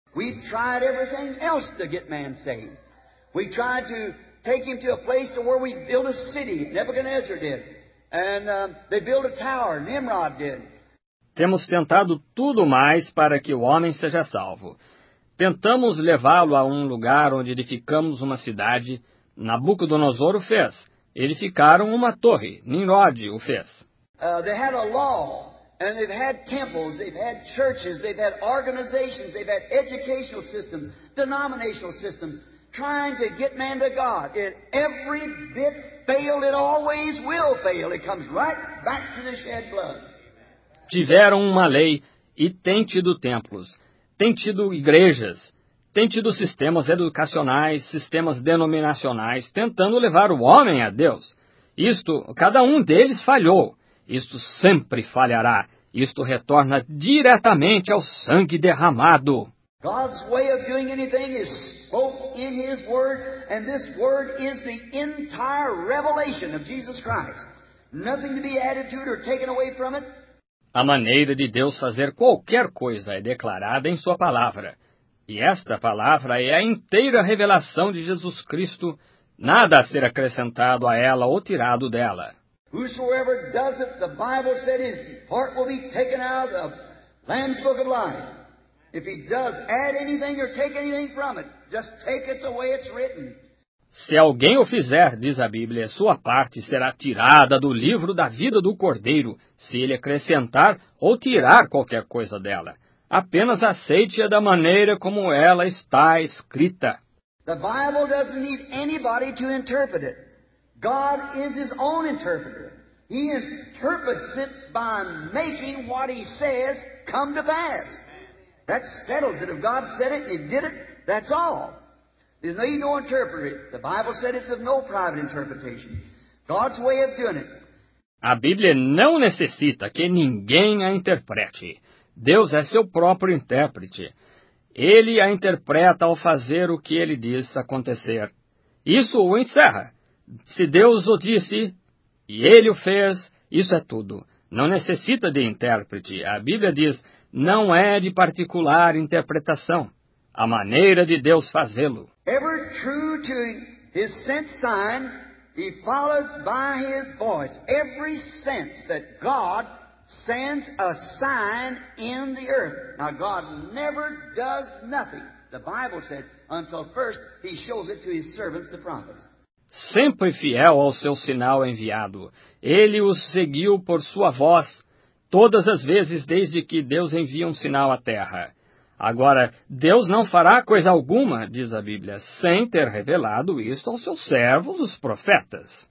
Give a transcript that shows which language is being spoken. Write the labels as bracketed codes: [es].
[en] We've tried everything else to get man saved. We tried to take him to a place where we built a city. Nebuchadnezzar did. And they built a tower. Nimrod did. [pt] Temos tentado tudo mais para que o homem seja salvo. Tentamos levá-lo a um lugar onde edificamos uma cidade. Nabucodonosor o fez. Edificaram uma torre. Nimrod o fez. [en] They had a law, and they've had temples, they've had churches, they've had organizations, they've had educational systems, denominational systems, trying to get man to God. It every bit failed, it always will fail. It comes right back to the shed blood. [pt] Tiveram uma lei e têm tido templos, têm tido igrejas, têm tido sistemas educacionais, sistemas denominacionais, tentando levar o homem a Deus. Isto, cada um deles falhou. Isto sempre falhará. Isto retorna diretamente ao sangue derramado. [en] God's way of doing anything is spoke in His Word, and this Word is the entire revelation of Jesus Christ. Nothing to be added to or taken away from it. [pt] A maneira de Deus fazer qualquer coisa é declarada em Sua palavra. E esta palavra é a inteira revelação de Jesus Cristo. Nada a ser acrescentado a ela ou tirado dela. [en] Whosoever does it, the Bible said his part will be taken out of the Lamb's Book of Life. If he does add anything or take anything from it, just take it the way it's written. [pt] Se alguém o fizer, diz a Bíblia, sua parte será tirada do livro da vida do Cordeiro, se ele acrescentar ou tirar qualquer coisa dela. Apenas aceite-a da maneira como ela está escrita. [en] The Bible doesn't need anybody to interpret it. God is his own interpreter. He interprets it by making what he says come to pass. That settles it. If God said it and he did it, that's all. There's no need to interpret it. The Bible said it's of no private interpretation. God's way of doing it. [pt] A Bíblia não necessita que ninguém a interprete. Deus é seu próprio intérprete. Ele a interpreta ao fazer o que ele diz acontecer. Isso o encerra. Se Deus o disse, e ele o fez, isso é tudo. Não necessita de intérprete. A Bíblia diz, não é de particular interpretação. A maneira de Deus fazê-lo. [en] Ever true to his sense sign, he followed by his voice. Every sense that God sends a sign in the earth. Now, God never does nothing, the Bible said, until first he shows it to his servants, the prophets. [pt] Sempre fiel ao seu sinal enviado, ele o seguiu por sua voz todas as vezes desde que Deus envia um sinal à terra. Agora, Deus não fará coisa alguma, diz a Bíblia, sem ter revelado isto aos seus servos, os profetas.